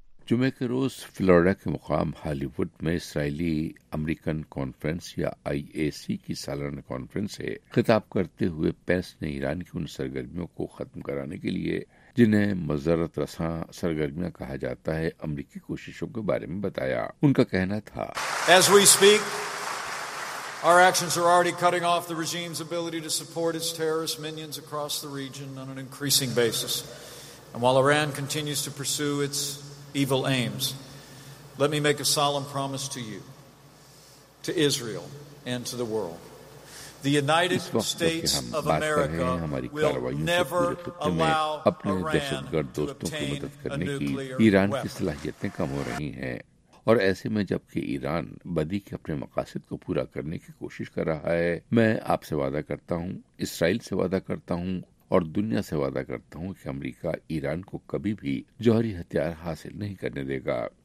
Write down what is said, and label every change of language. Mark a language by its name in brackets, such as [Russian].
[Urdu] جمعہ کے روز فلوریڈا کے مقام ہالی ووڈ میں اسرائیلی امریکن کانفرنس یا آئی اے سی کی سالانہ کانفرنس ہے، خطاب کرتے ہوئے پینس نے ایران کی ان سرگرمیوں کو ختم کرانے کے لیے جنہیں مضرت رساں سرگرمیاں کہا جاتا ہے امریکی کوششوں کے بارے میں بتایا. ان کا کہنا تھا، [English] As we speak, our actions are already cutting off the regime's ability to support its terrorist minions across the region on an increasing basis. And while Iran continues to pursue its evil aims, let me make a solemn promise to you, to Israel and to the world. The United States of America will never allow [Urdu] اپنے دہشت گرد دوستوں کی مدد کرنے کی ایران کی صلاحیتیں کم ہو رہی ہیں، اور ایسے میں جبکہ ایران بدی کے اپنے مقاصد کو پورا کرنے کی کوشش کر رہا ہے، میں آپ سے وعدہ کرتا ہوں، اسرائیل سے وعدہ کرتا ہوں اور دنیا سے وعدہ کرتا ہوں کہ امریکہ ایران کو کبھی بھی جوہری ہتھیار حاصل نہیں کرنے دے گا.